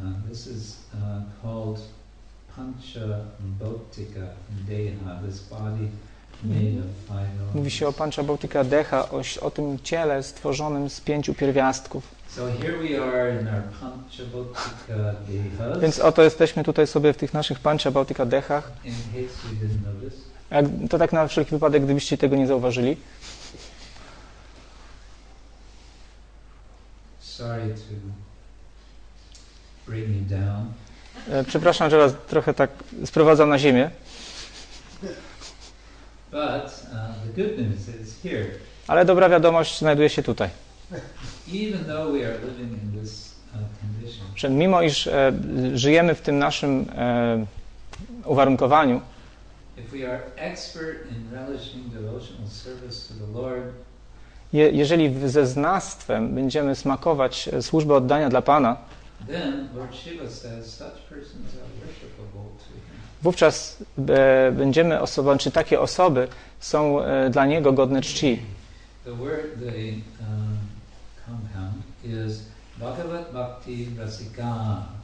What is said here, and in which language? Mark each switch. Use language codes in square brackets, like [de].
[en] This is called Pancha Bhautika Deha, this body made of five. [pl] Mówi się o Pancha Bhautika Deha, o tym ciele stworzonym z pięciu pierwiastków. [en] So here we are in our Pancha Bhautika Deha. [pl] Więc oto jesteśmy tutaj sobie w tych naszych Pancha Bhautika Dehach. [en] In case you didn't notice. [pl] To tak na wszelki wypadek, gdybyście tego nie zauważyli. [en] Sorry to bring you down. [pl] Przepraszam, że was trochę tak sprowadzam na ziemię. [en] But, the good news is here. [pl] Ale dobra wiadomość znajduje się tutaj. [en] Even though we are living in this condition. [pl] Że mimo iż żyjemy w tym naszym uwarunkowaniu, [en] if we are expert in relishing devotional service to the Lord, [pl] jeżeli ze znawstwem będziemy smakować służbę oddania dla Pana, [en] then Lord Shiva says such persons are worshipable to him. [pl] Wówczas będziemy osobą, czy takie osoby są dla Niego godne czci. [en] The word the compound is Bhagavat Bhakti Rasika.